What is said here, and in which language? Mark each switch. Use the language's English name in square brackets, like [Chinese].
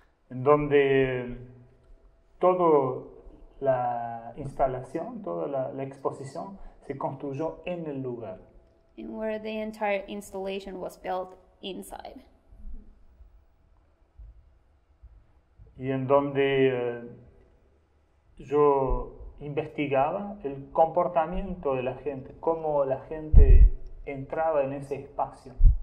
[Spanish] En donde toda la instalación, toda la exposición se construyó en el lugar. [English] And where the entire installation was built inside. [Spanish] Y en donde yo investigaba el comportamiento de la gente, cómo la gente entraba en ese espacio.